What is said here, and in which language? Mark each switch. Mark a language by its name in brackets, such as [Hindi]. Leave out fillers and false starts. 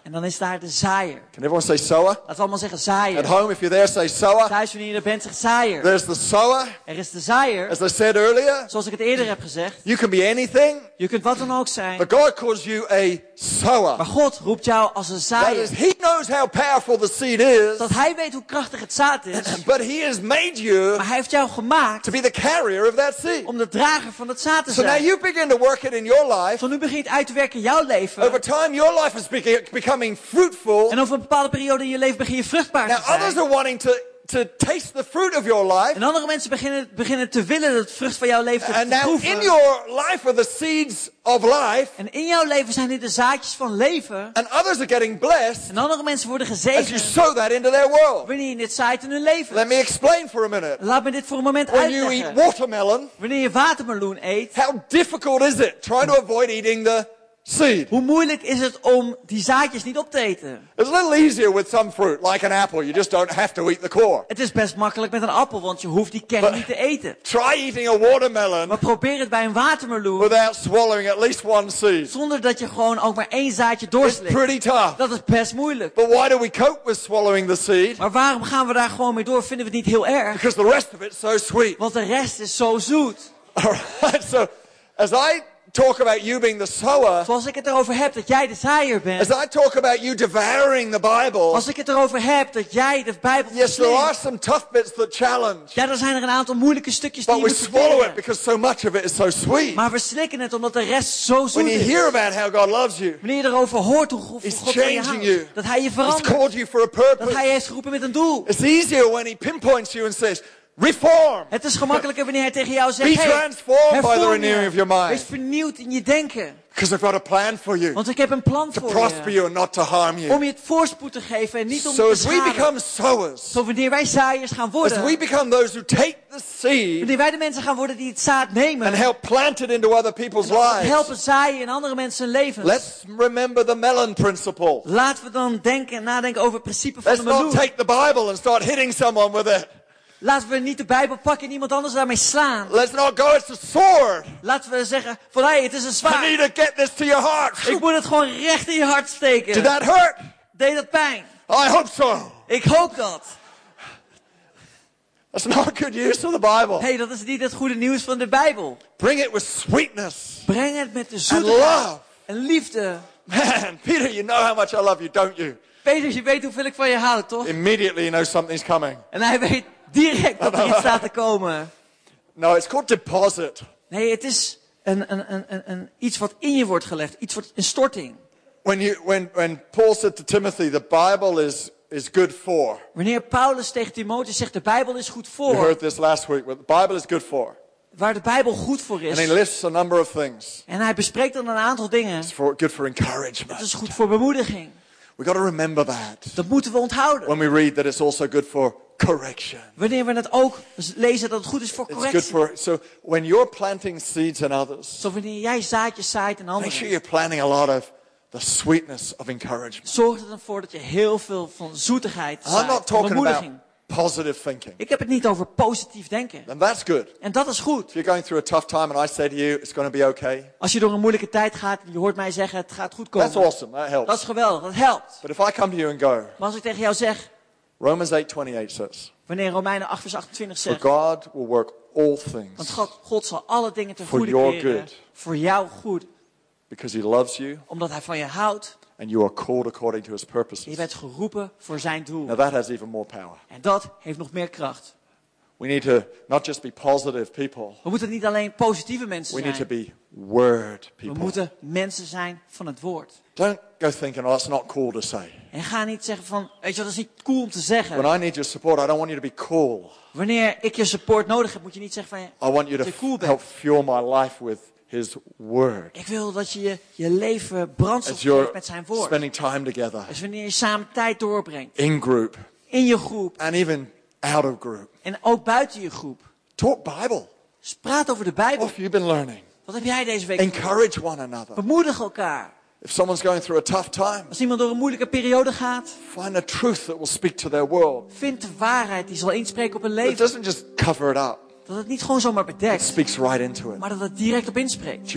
[Dutch] En dan is daar de zaaier. [English] Can everyone say sower? [Dutch] Laten we allemaal zeggen zaaier. [English] At home, if you're there, say sower. [Dutch] Thuis, wanneer je er bent, zeg zaaier. [English] There's the sower. [Dutch] Er is de zaaier. [English] As I said earlier. [Dutch] Zoals ik het eerder heb gezegd. [English] You can be anything. [Dutch] Je kunt wat dan ook zijn. [English] But God calls you a sower. [Dutch] Maar God roept jou als een zaaier. [English] That is, he knows how powerful the seed is. [Dutch] Dat hij weet hoe krachtig het zaad is. [English] But he has made you. [Dutch] Maar hij heeft jou gemaakt. [English] To be the carrier of that seed. [Dutch] Om de drager van het zaad te zijn. [English] So now you begin to work it in your life. [Dutch] Van nu begint uit te werken in jouw leven. [English] Over time, your life is becoming fruitful. [Dutch] En over een bepaalde periode in je leven begin je vruchtbaar te zijn. [English] Now others are wanting to taste the fruit of your life. [Dutch] En andere mensen beginnen te willen het vrucht van jouw leven te proeven. [English] And now in your life are the seeds of life. [Dutch] En in jouw leven zijn dit de zaadjes van leven. [English] And others are getting blessed. [Dutch] En andere mensen worden gezegend. [English] As you sow that into their world. [Dutch] Wanneer je dit zaait in hun leven. [English] Let me explain for a minute. [Dutch] Laat me dit voor een moment [English] when [Dutch] uitleggen. [English] When you eat watermelon. [Dutch] Wanneer je watermeloen eet. [English] How difficult is it trying to avoid eating the seed. [Dutch] Hoe moeilijk is het om die zaadjes niet op te eten? [English] It's a little easier with some fruit, like an apple. You just don't have to eat the core. [Dutch] Het is best makkelijk met een appel, want je hoeft die kern niet te eten. [English] Try eating a watermelon. [Dutch] Maar probeer het bij een watermeloen. [English] Without swallowing at least one seed. [Dutch] Zonder dat je gewoon ook maar één zaadje doorslikt. [English] It's pretty tough. [Dutch] Dat is best moeilijk. [English] But why do we cope with swallowing the seed? [Dutch] Maar waarom gaan we daar gewoon mee door? Vinden we het niet heel erg? [English] Because the rest of it's so sweet. [Dutch] Want de rest is zo zoet. [English] All right. So, as I talk about you being the sower, [Dutch] zoals ik het erover heb dat jij de zaaier bent, [English] as I talk about you devouring the Bible, [Dutch] als ik het erover heb dat jij de Bijbel [English] yes, there are some tough bits that challenge, [Dutch] ja, dan zijn er een aantal moeilijke stukjes [English] but [Dutch] die [English] we [Dutch] je moet [English] swallow it because so much of it is so sweet. [Dutch] Maar we slikken het omdat de rest zo zoet is. [English] When you hear about how God loves you, [Dutch] wanneer je erover hoort hoe God van je houdt, dat Hij je verandert, [English] He's called you for a purpose, [Dutch] dat Hij je heeft geroepen met een doel. [English] It's easier when He pinpoints you and says, reform. [Dutch] Het is gemakkelijker wanneer hij tegen jou zegt: [English] be transformed by the renewing of your mind. [Dutch] Wees vernieuwd in je denken. [English] Because I've got a plan for you. [Dutch] Want ik heb een plan voor je. [English] To prosper you and not to harm you. [Dutch] Om je het voorspoed te geven en niet om [English] so [Dutch] te schaden. [English] So as we become sowers. [Dutch] Zo wanneer wij zaaiers gaan worden. [English] As we become those who take the seed. [Dutch] Wanneer wij de mensen gaan worden die het zaad nemen. [English] And help plant it into other people's [Dutch] en [English] lives. [Dutch] Helpen zaaien in andere mensen levens. [English] Let's remember the melon principle. [Dutch] Laten we dan denken en nadenken over het principe van [English] Let's [Dutch] de meloen. [English] Let's not take the Bible and start hitting someone with it. [Dutch] Laten we niet de Bijbel pakken en iemand anders daarmee slaan. [English] Let's not go, it's a sword. [Dutch] Laten we zeggen, van hey, het is een zwaard. [English] I need to get this to your heart. [Dutch] Ik moet het gewoon recht in je hart steken. [English] Did that hurt? [Dutch] Deed dat pijn? [English] I hope so. [Dutch] Ik hoop dat. [English] That's not good news of the Bible. [Dutch] Hey, dat is niet het goede nieuws van de Bijbel. [English] Bring it with sweetness. [Dutch] Breng het met de zoete [English] and love. [Dutch] En liefde. [English] Man, Peter, you know how much I love you, don't you? [Dutch] Peter, je weet hoeveel ik van je hou, toch? [English] Immediately you know something's coming. [Dutch] En hij weet direct dat er iets staat te komen. [English] No, it's called deposit. [Dutch] Nee, het is een iets wat in je wordt gelegd, iets wat een storting. [English] When Paul said to Timothy, the Bible is good for. [Dutch] Wanneer Paulus tegen Timotheus zegt, de Bijbel is goed voor. [English] We heard this last week, but the Bible is good for. [Dutch] Waar de Bijbel goed voor is. [English] And he lists a number of things. [Dutch] En hij bespreekt dan een aantal dingen. [English] It's for, good for encouragement. [Dutch] Het is goed voor bemoediging. [English] We got to remember that. [Dutch] Dat moeten we onthouden. [English] When we read that it's also good for correction. [Dutch] Wanneer we het ook lezen dat het goed is voor correctie. [English] It's good for, so when you're planting seeds in others. [Dutch] Zo wanneer jij zaadjes zaait in anderen. [English] Make sure you're planting a lot of the sweetness of encouragement. [Dutch] Zorg er dan voor dat je heel veel van zoetigheid zaait. [English] I'm not talking about positive thinking. [Dutch] Ik heb het niet over positief denken. [English] And that's good. [Dutch] En dat is goed. [English] If you're going through a tough time and I say to you it's going to be okay. [Dutch] Als je door een moeilijke tijd gaat en je hoort mij zeggen het gaat goed komen. [English] That's awesome. That helps. [Dutch] Dat is geweldig. Dat helpt. [English] But if I come to you and go. [Dutch] Maar als ik tegen jou zeg [English] Romans 8:28 says. [Dutch] Wanneer Romeinen 8 vers 28 zegt. [English] For God will work all things. [Dutch] Want God zal alle dingen ten goede keren. Voor jouw goed. [English] Because he loves you. [Dutch] Omdat hij van je houdt. [English] And you are called according to his purposes. [Dutch] Je bent geroepen voor zijn doel. [English] Now that has even more power. [Dutch] En dat heeft nog meer kracht. [English] We need to not just be positive people. [Dutch] We moeten niet alleen positieve mensen zijn. [English] We need to be word people. [Dutch] We moeten mensen zijn van het woord. [English] Don't go thinking, oh, that's not cool to say. [Dutch] En ga niet zeggen van, weet je, dat is niet cool om te zeggen. [English] When I need your support, I don't want you to be cool. [Dutch] Wanneer ik je support nodig heb, moet je niet zeggen van, [English] I want you to cool help fuel my life with his word. [Dutch] Ik wil dat je je leven brandstof geeft met zijn woord. [English] Spending time together. [Dutch] Dus wanneer je samen tijd doorbrengt. [English] In group. [Dutch] In je groep. [English] And even out of group. [Dutch] En ook buiten je groep. [English] Talk Bible. [Dutch] Praat over de Bijbel. [English] What have you been learning? [Dutch] Wat heb jij deze week? [English] Encourage one another. [Dutch] Bemoedig elkaar. [English] If someone's going through a tough time, [Dutch] als iemand door een moeilijke periode gaat, [English] find a truth that will speak to their world. [Dutch] Vind de waarheid die zal inspreken op hun leven. [English] It doesn't just cover it up. [Dutch] Dat het niet gewoon zomaar bedekt. [English] It speaks right into it. [Dutch] Maar dat het direct op inspreekt.